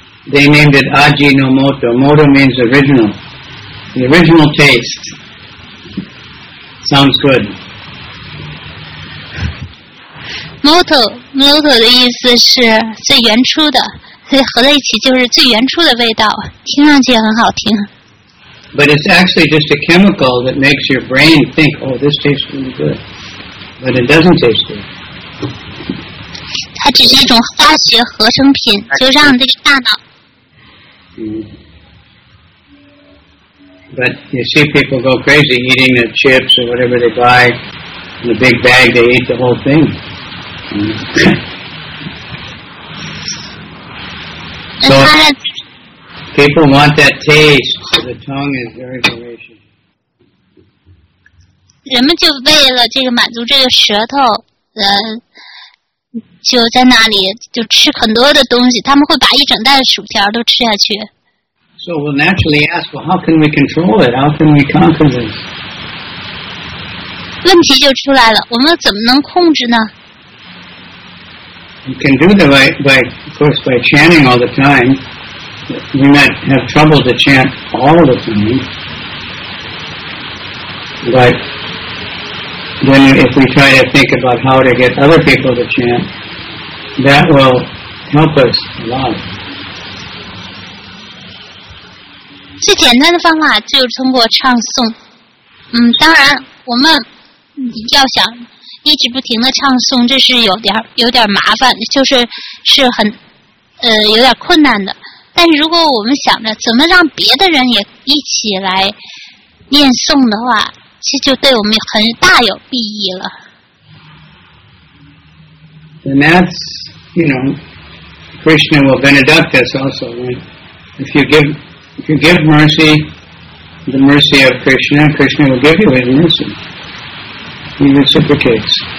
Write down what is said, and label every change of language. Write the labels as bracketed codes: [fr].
[en] They named it aji no moto. Moto means original. The original taste. Sounds good. [zh] Moto 的意思是最原初的，所以合在一起就是最原初的味道，听上去很好听。 [en] But it's actually just a chemical that makes your brain think, oh, this tastes really good. But it doesn't taste good. [zh] 它只是一种化学合成品，就让这个大脑。 [en] But you see people go crazy eating the chips or whatever they buy. In the big bag, they eat the whole thing. 嗯。So people want that taste. The tongue is very voracious. [zh] 人们就为了这个满足这个舌头，就在那里就吃很多的东西。他们会把一整袋的薯条都吃下去。 [en] So we'll naturally ask, well, how can we control it? How can we conquer this? [zh] 问题就出来了，我们怎么能控制呢？ [en] You can do that by chanting all the time. We might have trouble to chant all the time, but then if we try to think about how to get other people to chant, that will help us a lot. [zh] 最简单的方法就是通过唱诵。当然我们要想一直不停的唱诵，这是有点麻烦，就是很有点困难的。但是如果我们想着怎么让别的人也一起来念诵的话，这就对我们很大有裨益了。 [en] And that's, you know, Krishna will benedict us also. If you give mercy, the mercy of Krishna, Krishna will give you his mercy. He reciprocates.